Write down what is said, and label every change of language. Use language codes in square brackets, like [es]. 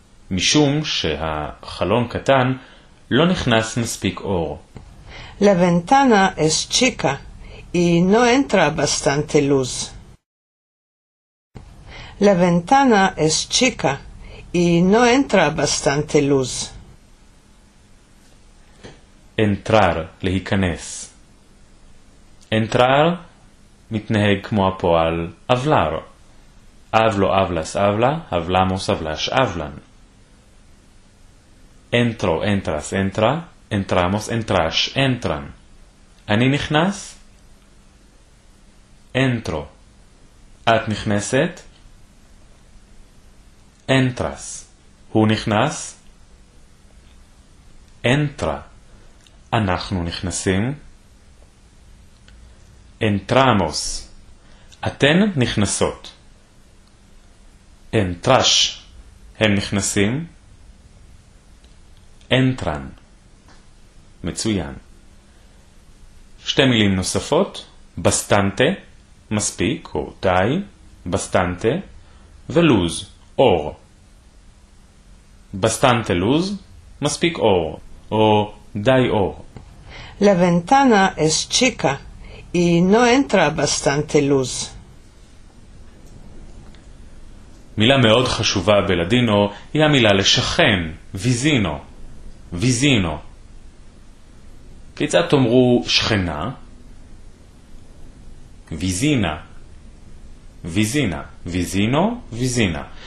[he] משום שהחלון קטן, לא נכנס מספיק אור. [lad] La ventana es chica y no entra bastante luz. La ventana es chica y no entra bastante luz. [he] Entrar, להיכנס. Entrar מתנהג כמו הפועל hablar. [lad] Hablo, hablas, habla, hablamos, hablas, hablan. Entro, entras, entra, entramos, entras, entran. [he] אני נכנס? [lad] Entro. [he] את נכנסת? [lad] Entras. [he] הוא נכנס? [lad] Entra. [he] אנחנו נכנסים? [lad] Entramos. [he] אתן נכנסות. [lad] Entras. [he] הם נכנסים? [lad] Entran. [he] מצוין. שתי מילים נוספות. Bastante. מספיק או די. Bastante. ולוז. אור. [lad] Bastante luz. [he] מספיק אור. או די אור. [lad] La ventana es chica y no entra bastante luz. [he] מילה מאוד חשובה בלדינו היא המילה לשכן. ויזינו. ויזינו. כיצד תאמרו שכנה? ויזינה. ויזינה. ויזינו, ויזינה.